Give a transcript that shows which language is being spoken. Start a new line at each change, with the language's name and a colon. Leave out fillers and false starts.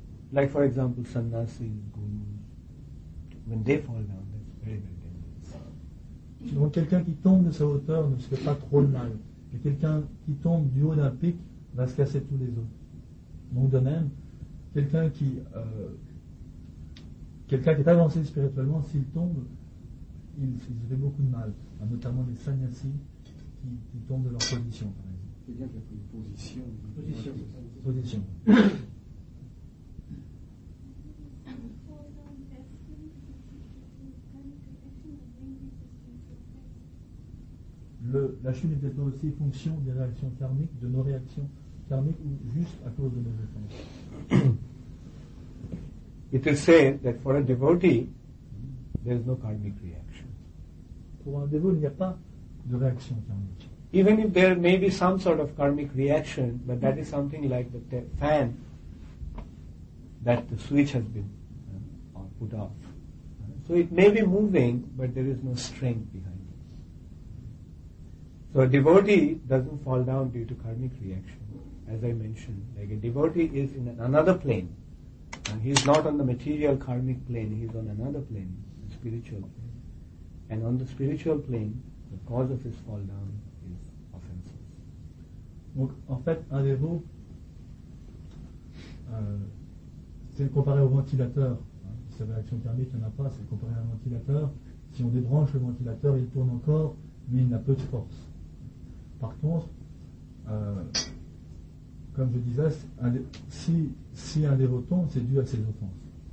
English: Like for example, sannyasi, guru, when they fall down, that's very, very dangerous.
French: Donc quelqu'un qui tombe de sa hauteur ne se fait pas trop de mal. Et quelqu'un qui tombe du haut d'un pic va se casser tous les os. Donc de même, quelqu'un qui est avancé spirituellement, s'il tombe, il se fait beaucoup de mal. Notamment les sannyasi qui tombent de leur position. Quelqu'un qui a pris une position. La chute est peut-être aussi fonction des réactions karmiques, de nos réactions karmiques ou juste à cause de nos réactions.
English: It is said that for a devotee, there is no karmic reaction.
French: Pour un dévot, il n'y a pas de réaction karmique.
English: Even if there may be some sort of karmic reaction, but that is something like the fan that the switch has been put off. So it may be moving, but there is no strength behind it. So a devotee doesn't fall down due to karmic reaction, as I mentioned. Like a devotee is in another plane, and he is not on the material karmic plane, he is on another plane, the spiritual plane. And on the spiritual plane, the cause of his fall down is offenses.
French: Donc en fait, un dévot, c'est comparé au ventilateur. Hein, si ça veut l'action karmique, il n'y en a pas, c'est comparé à un ventilateur. Si on débranche le ventilateur, il tourne encore, mais il n'a peu de force. Par contre, comme je disais, si un dévot tombe, c'est dû à ses offenses.